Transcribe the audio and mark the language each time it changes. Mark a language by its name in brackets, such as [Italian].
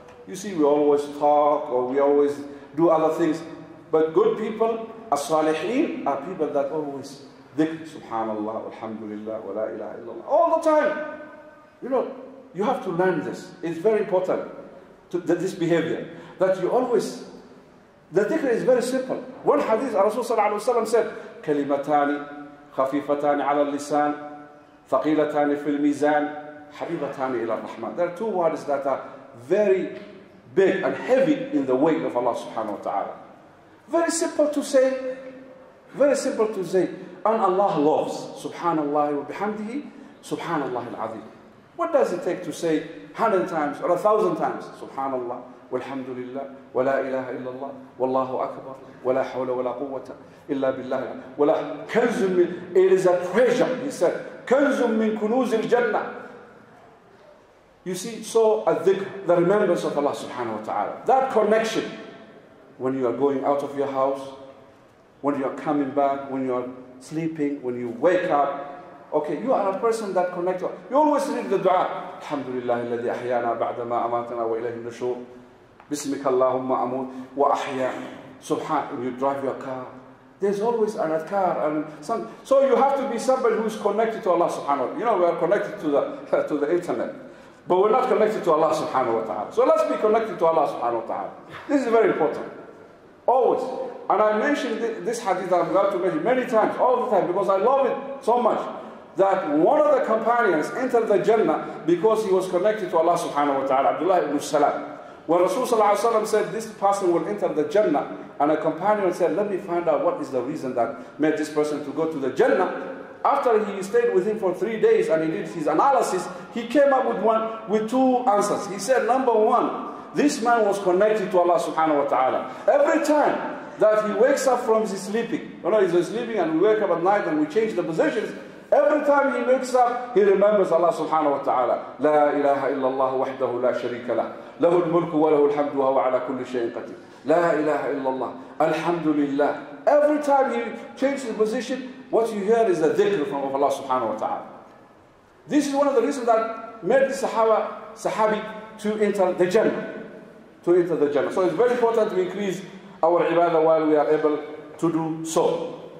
[English] You see, we always talk or we always do other things, but good people, as-salihin, are people that always dhikr, [Arabic] subhanallah, alhamdulillah, wa la ilaha illallah, [English] all the time. You know, you have to learn this. It's very important, this behavior, that you always, the dhikr is very simple. One hadith, Rasulullah said, [Arabic] كلمتان خفيفتان على اللسان ثقيلتان في الميزان حبيبتان إلى الرحمن. [English] There are two words that are very big and heavy in the way of Allah subhanahu wa ta'ala. Very simple to say. Very simple to say. And Allah loves. [Arabic] Subhanallah wa bihamdihi. Subhanallah al-azim. [English] What does it take to say 100 times or 1,000 times? [Arabic] Subhanallah. والحمد لله ولا إله إلا الله والله أكبر ولا حول ولا قوة إلا بالله ولا كنز من [English] it is a treasure he said [Arabic] كنز من كنوز الجنة. [English] You see, so الذكر, the remembrance of Allah [Arabic] سبحانه وتعالى, [English] that connection when you are going out of your house, when you are coming back, when you are sleeping, when you wake up. Okay, you are a person that connects. You always read the dua, [Arabic] الحمد لله الذي أحيانا بعدما أماتنا وإليه النشور. بسمك اللهم أموت وأحيا سبحان. [English] You drive your car, there's always an adhkar and some. So you have to be somebody who is connected to Allah subhanahu wa ta'ala. You know, we are connected to the internet, but we're not connected to Allah subhanahu wa ta'ala. So let's be connected to Allah subhanahu wa ta'ala. This is very important, always. And I mentioned this hadith that I'm going to mention many times, all the time, because I love it so much, that one of the companions entered the Jannah because he was connected to Allah subhanahu wa ta'ala, Abdullah ibn Salam. When Rasulullah said this person will enter the Jannah, and a companion said, let me find out what is the reason that made this person to go to the Jannah. After he stayed with him for 3 days and he did his analysis, he came up with two answers. He said, number one, this man was connected to Allah subhanahu wa ta'ala. Every time that he wakes up from his sleeping, you know, he's sleeping and we wake up at night and we change the positions, every time he wakes up, he remembers Allah subhanahu wa ta'ala. [Arabic] لا إله إلا الله وحده لا شريك له. له الملك وله الحمد وهو على كل شيء قدير. لا إله إلا الله. الحمد لله. [English] Every time he changes the position, what you hear is a dhikr from Allah subhanahu wa ta'ala. This is one of the reasons that made the Sahabi to enter the Jannah. To enter the Jannah. So it's very important to increase our ibadah while we are able to do so.